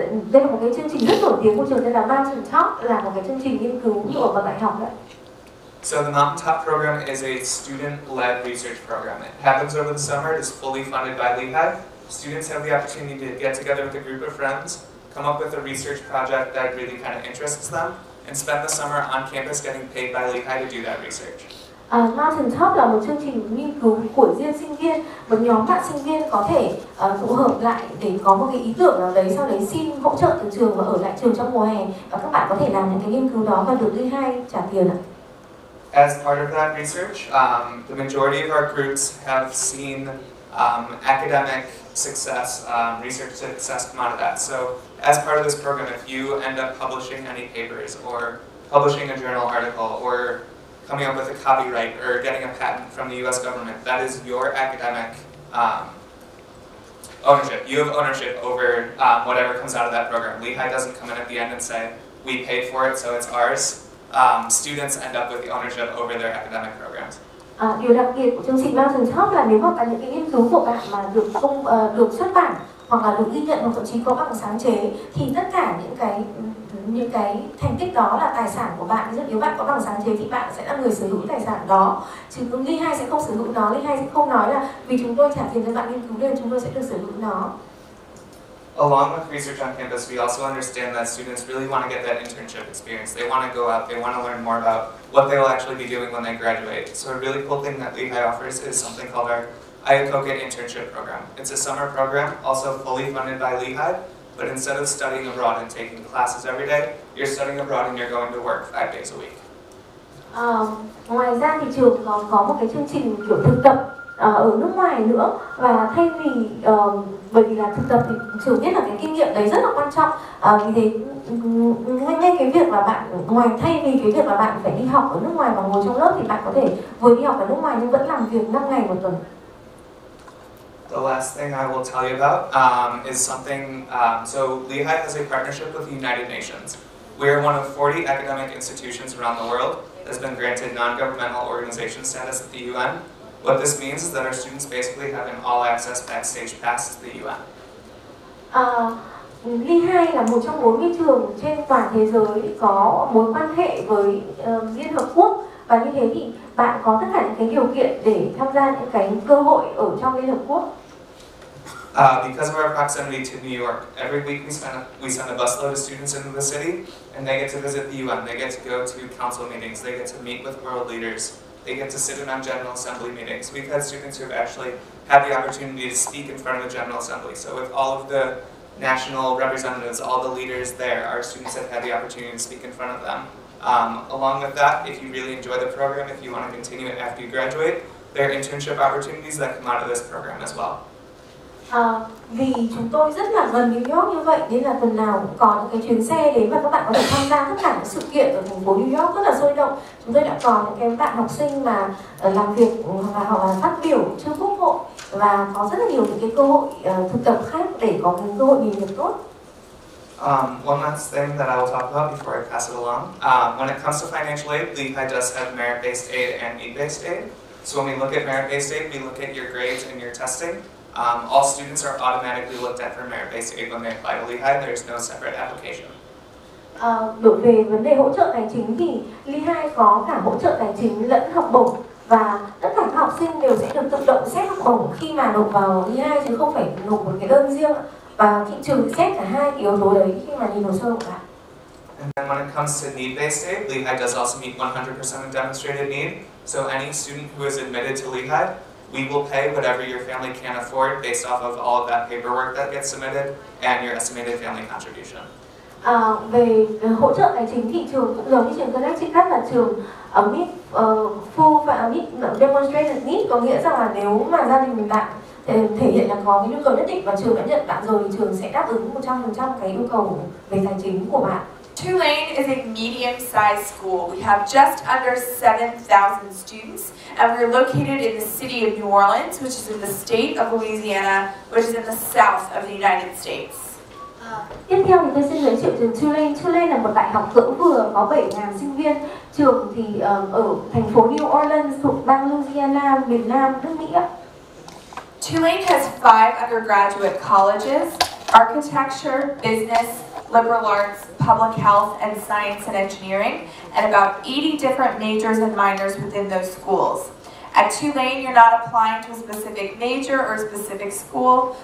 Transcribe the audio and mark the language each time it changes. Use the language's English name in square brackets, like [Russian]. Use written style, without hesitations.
[Vietnamese] đây là một cái chương trình rất nổi tiếng của trường tên là Mountain Top, là một cái chương trình nghiên cứu như ở bậc đại học đấy. [English] So the Mountain Top program is a student-led research program. It happens over the summer. It is fully funded by Lehigh. Students have the opportunity to get together with a group of friends, come up with a research project that really kind of interests them, and spend the summer on campus getting paid by Lehigh to do that research. [Vietnamese] Mountain Top là một chương trình nghiên cứu của riêng sinh viên. Một nhóm bạn sinh viên có thể tụ hợp lại để có một cái ý tưởng nào đấy, sau đấy xin hỗ trợ từ trường và ở lại trường trong mùa hè. Và các bạn có thể làm những cái nghiên cứu đó và được Lehigh trả tiền ạ. [English] As part of that research, the majority of our groups have seen academic success, research success come out of that. So as part of this program, if you end up publishing any papers or publishing a journal article or coming up with a copyright or getting a patent from the US government, that is your academic ownership. You have ownership over whatever comes out of that program. Lehigh doesn't come in at the end and say, we paid for it, so it's ours. Students end up with the ownership over their academic programs. [Vietnamese] Điều đặc biệt của chương trình Mountain Top là nếu mà cả những cái nghiên cứu của bạn mà được công được xuất bản hoặc là được ghi nhận hoặc thậm chí có bằng sáng chế thì tất cả những cái thành tích đó là tài sản của bạn. Ví dụ nếu bạn có bằng sáng chế thì bạn sẽ là người sở hữu tài sản đó. Chứ Lehigh sẽ không sở hữu nó. Lehigh sẽ không nói là vì chúng tôi trả tiền cho bạn nghiên cứu nên chúng tôi sẽ được sở hữu nó. [English] Along with research on campus, we also understand that students really want to get that internship experience. They want to go out, they want to learn more about what they will actually be doing when they graduate. So a really cool thing that Lehigh offers is something called our Iacocca Internship Program. It's a summer program, also fully funded by Lehigh, but instead of studying abroad and taking classes every day, you're studying abroad and you're going to work 5 days a week. [Vietnamese] Ngoài ra thì trường có một cái chương trình kiểu thực tập ở nước ngoài nữa, và thay vì bởi vì là thực tập thì trường biết là cái kinh nghiệm đấy rất là quan trọng, vì thế ngay cái việc mà bạn ngoài thay vì cái việc mà bạn phải đi học ở nước ngoài và ngồi trong lớp thì bạn có thể vừa đi học ở nước ngoài nhưng vẫn làm việc 5 ngày một tuần. [English] The last thing I will tell you about is something. So Lehigh has a partnership with the United Nations. We are one of 40 academic institutions around the world that has been granted non-governmental organization status at the UN. What this means is that our students basically have an all-access backstage pass to the UN. [Vietnamese] Lehigh là một trong 40 trường trên toàn thế giới có mối quan hệ với Liên Hợp Quốc, và như thế thì bạn có tất cả những cái điều kiện để tham gia những cái cơ hội ở trong Liên Hợp Quốc. [English] Because of our proximity to New York, every week we send a busload of students into the city, and they get to visit the UN. They get to go to council meetings. They get to meet with world leaders. They get to sit in on General Assembly meetings. We've had students who have actually had the opportunity to speak in front of the General Assembly. So with all of the national representatives, all the leaders there, our students have had the opportunity to speak in front of them. Along with that, if you really enjoy the program, if you want to continue it after you graduate, there are internship opportunities that come out of this program as well. [Vietnamese] Vì chúng tôi rất là gần New York như vậy nên là phần nào còn cái chuyến xe đến và các bạn có thể tham gia tất cả những sự kiện ở thành phố New York rất là sôi động. Chúng tôi đã có những cái bạn học sinh mà làm việc và họ là phát biểu trước quốc hội, và có rất là nhiều những cái cơ hội thực tập khác để có cái cơ hội nghề nghiệp tốt. [English] One last thing that I will talk about before I pass it along. When it comes to financial aid, Lehigh does have merit-based aid and need-based aid. So when we look at merit-based aid, we look at your grades and your testing. All students are automatically looked at for merit-based aid when they apply to Lehigh. There's no separate application. [Vietnamese] Đối về vấn đề hỗ trợ tài chính thì Lehigh có cả hỗ trợ tài chính lẫn học bổng, và tất cả các học sinh đều sẽ được tự động xét học bổng khi mà nộp vào Lehigh, chứ không phải nộp một cái đơn riêng, và thị trường xét cả hai yếu tố đấy khi mà nhìn hồ sơ của bạn. [English] And then when it comes to need-based aid, Lehigh does also meet 100% of demonstrated need. So any student who is admitted to Lehigh, we will pay whatever your family can afford based off of all of that paperwork that gets submitted and your estimated family contribution. [Vietnamese] Về hỗ trợ tài chính thị trường cũng giống như trường Connecticut, là trường [English] meet full [Vietnamese] và [English] meet demonstrated need, [Vietnamese] có nghĩa rằng là nếu mà gia đình mình bạn thể hiện là có cái nhu cầu nhất định và trường đã nhận bạn rồi thì trường sẽ đáp ứng 100% cái yêu cầu về tài chính của bạn. [English] Tulane is a medium-sized school. We have just under 7,000 students, and we're located in the city of New Orleans, which is in the state of Louisiana, which is in the south of the United States. [Vietnamese] Tiếp theo thì tôi xin giới thiệu trường Tulane. Tulane là một đại học cỡ vừa, có 7,000 sinh viên. Trường thì ở thành phố New Orleans, thuộc bang Louisiana, miền Nam, nước Mỹ. [English] Tulane has 5 undergraduate colleges. architecture, business, liberal arts, public health, and science and engineering, and about 80 different majors and minors within those schools. At Tulane, you're not applying to a specific major or a specific school.